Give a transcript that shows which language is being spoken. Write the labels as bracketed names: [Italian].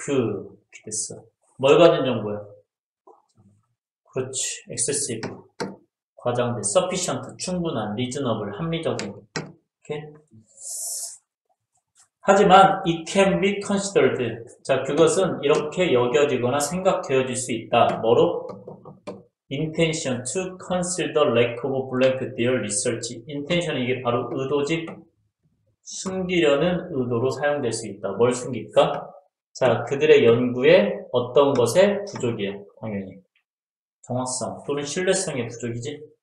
[Korean] 이렇게 됐어. 뭘 가진 정보야? 그렇지. excessive. 과장돼. sufficient. 충분한. reasonable. 합리적인. 이렇게. 하지만, [English] it can be considered. [Korean] 자, 그것은 이렇게 여겨지거나 생각되어질 수 있다. 뭐로? [English] intention to conceal the lack of blank their research. [Korean] intention 이게 바로 의도지. 숨기려는 의도로 사용될 수 있다. 뭘 숨길까? 자, 그들의 연구에 어떤 것의 부족이야? 당연히 정확성 또는 신뢰성의 부족이지.